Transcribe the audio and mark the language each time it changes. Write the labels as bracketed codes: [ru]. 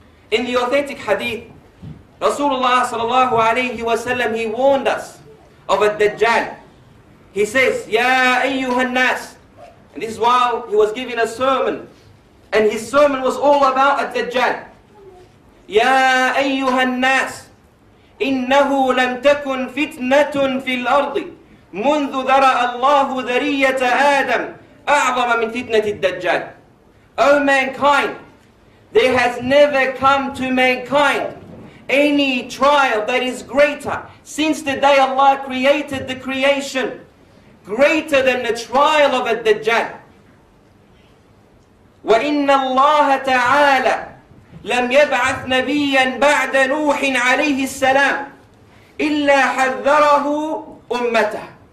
[en] In the authentic hadith, Rasulullah sallallahu alayhi wa sallam, he warned us of a Dajjal. [ar] He says, Ya ayyuhan nas. [en] And this is while he was giving a sermon. And his sermon was all about a Dajjal. [ar] Ya ayyuhan nas. إنه لم تكن فتنة في الأرض منذ ذرأ الله ذرية آدم أعظم من فتنة الدجال. [en] O mankind, there has never come to mankind any trial that is greater since the day Allah created the creation, greater than the trial of a Dajjal. [ar] وَإِنَّ اللَّهَ تَعَالَى لَمْ يَبْعَثْ نَبِيًّا بَعْدَ نُوحٍ عَلَيْهِ السَّلَامِ إِلَّا حَذَّرَهُ أُمَّتَهُ.